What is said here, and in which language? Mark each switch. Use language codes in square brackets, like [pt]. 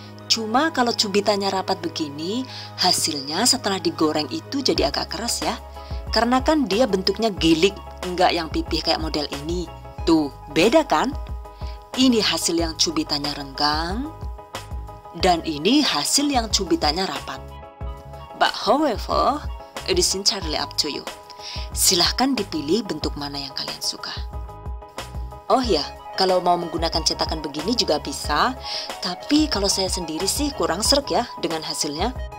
[id] Cuma kalau cubitannya rapat begini, hasilnya setelah digoreng itu jadi agak keras ya. Karena kan dia bentuknya gilik, nggak yang pipih kayak model ini. Tuh, beda kan? Ini hasil yang cubitannya renggang, dan ini hasil yang cubitannya rapat. [en] But however, it is entirely up to you. [id] Silahkan dipilih bentuk mana yang kalian suka. Oh ya, kalau mau menggunakan cetakan begini juga bisa, tapi kalau saya sendiri sih kurang srek ya dengan hasilnya.